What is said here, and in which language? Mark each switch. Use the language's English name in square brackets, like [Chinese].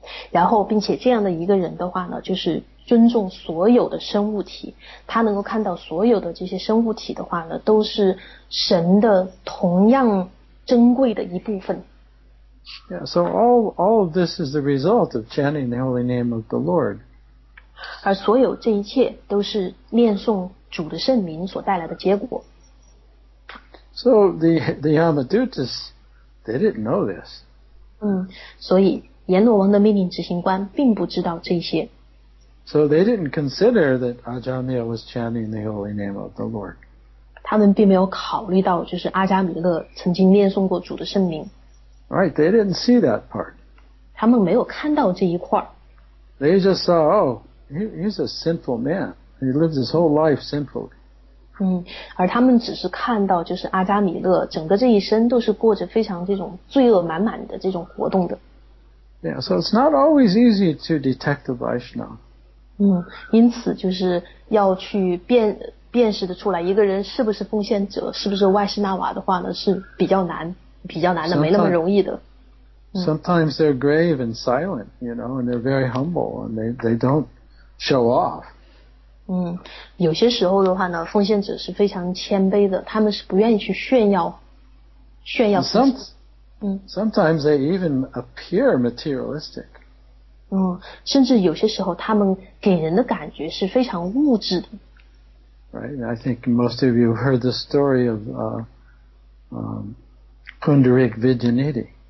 [Chinese] 然后并且这样的一个人的话呢就是尊重所有的生物体他能够看到所有的这些生物体的话呢都是神的同样珍贵的一部分。 [English] Yeah, so all of this is the result of chanting the holy name of the Lord. [Chinese] 而所有这一切都是念诵主的圣名所带来的结果。 [English] So the Yamadutas, they didn't know this. [Chinese] 所以阎罗王的命令执行官并不知道这些。 [English] So they didn't consider that Ajahmila was chanting the holy name of the Lord. [Chinese] 他们并没有考虑到就是阿迦弥勒曾经念诵过主的圣名。 [English] Right, they didn't see that part. [Chinese] 他们没有看到这一块。 [English] They just saw, oh, he's a sinful man. He lives his whole life sinfully. [Chinese] 而他们只是看到就是阿迦弥勒整个这一生都是过着非常这种罪恶满满的这种活动的。 [English] Yeah, so it's not always easy to detect the Vaishnava. [Chinese] 因此就是要去辨识的出来一个人是不是奉献者是不是外施那瓦的话呢是比较难的 [English] sometimes, [Chinese] 没那么容易的。 [English] Sometimes they're grave and silent, you know, and they're very humble and they don't show off. [Chinese] 有些时候的话呢奉献者是非常谦卑的他们是不愿意去炫耀 [English] sometimes they even appear materialistic. [Chinese] 甚至有些时候他们给人的感觉是非常物质的。 [English] Right, I think most of you heard the story of Pundarik Vidyaniti.